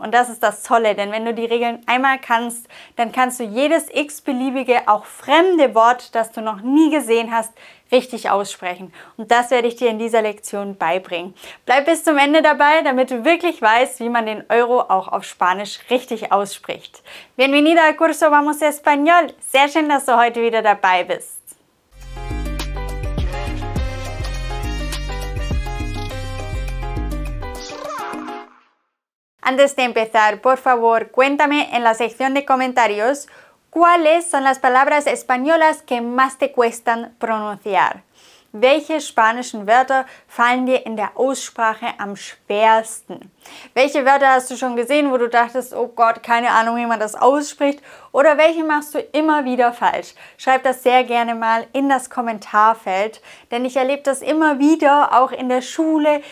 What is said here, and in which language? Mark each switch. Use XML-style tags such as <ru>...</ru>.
<de>Und das ist das Tolle, denn wenn du die Regeln einmal kannst, dann kannst du jedes x-beliebige, auch fremde Wort, das du noch nie gesehen hast, richtig aussprechen. Und das werde ich dir in dieser Lektion beibringen. Bleib bis zum Ende dabei, damit du wirklich weißt, wie man den Euro auch auf Spanisch richtig ausspricht.</de> <es>Bienvenida al curso Vamos Español.</es> <de>Sehr schön, dass du heute wieder dabei bist.</de> <es>Antes de empezar, por favor, cuéntame en la sección de comentarios cuáles son las palabras españolas que más te cuestan pronunciar.</es> <de>Welche spanischen Wörter fallen dir in der Aussprache am schwersten? Welche Wörter hast du schon gesehen, wo du dachtest, oh Gott, keine Ahnung, wie man das ausspricht? Oder welche machst du immer wieder falsch? Schreib das sehr gerne mal in das Kommentarfeld, denn ich erlebe das immer wieder, auch in der Schule.</de>